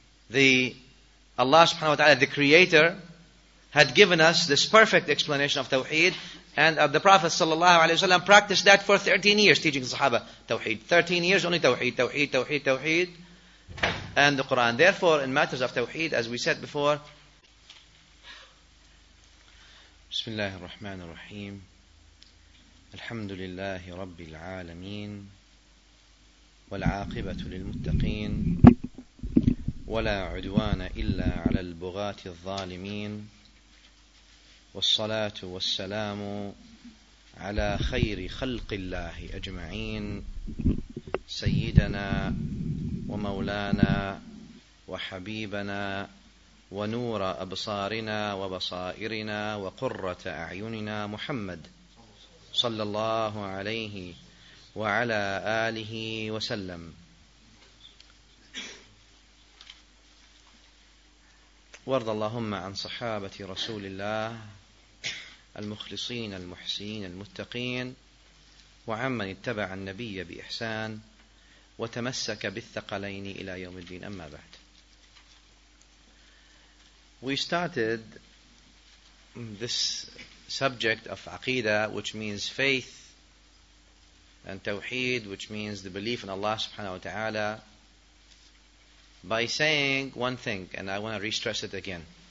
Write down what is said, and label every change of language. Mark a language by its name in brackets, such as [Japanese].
[English] The Allah subhanahu wa ta'ala, the Creator, had given us this perfect explanation of Tawheed. And the Prophet sallallahu alaihi wasallam practiced that for 13 years, teaching the Sahaba Tawheed. 13 years only Tawheed, Tawheed, Tawheed, Tawheed, and the Quran. Therefore, in matters of Tawheed, as we said before, [Arabic] Bismillah ar-Rahman ar-Rahim, Alhamdulillahi Rabbil Alameen, Wal'aqibatu lil-Muttaqeen, Wala udwana illa ala al-Bughati al-Zalimeen, والصلاة والسلام على خير خلق الله أجمعين، سيدنا ومولانا وحبيبنا ونور أبصارنا وبصائرنا وقرة أعيننا محمد صلى الله عليه وعلى آله وسلم. وارض اللهم عن صحابة رسول الله المخلصين المحسنين المتقين، وعمن اتبع النبي بإحسان وتمسك بالثقلين إلى يوم الدين، أما بعد. [English] We started this subject of aqeedah, which means faith, and tawheed, which means the belief in Allah subhanahu wa ta'ala, by saying one thing, and I want to re-stress it again.